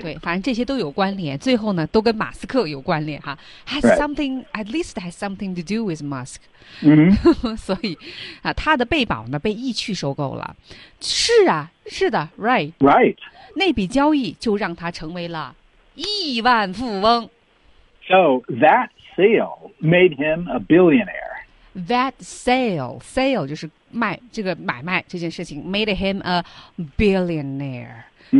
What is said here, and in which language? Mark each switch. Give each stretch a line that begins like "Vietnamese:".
Chinese: 对，反正这些都有关联，最后呢都跟马斯克有关联哈。
English: Has something, at least has something to do with Musk. Mm-hmm.
Chinese: 所以啊，他的贝宝呢被易趣收购了。是啊，是的 ，right.
English: Right.
Chinese: 那笔交易就让他成为了亿万富翁。
English: So that sale made him a billionaire. That sale
Chinese: 就是卖这个买卖这件事情
English: made him a billionaire.
Chinese: Mm-hmm.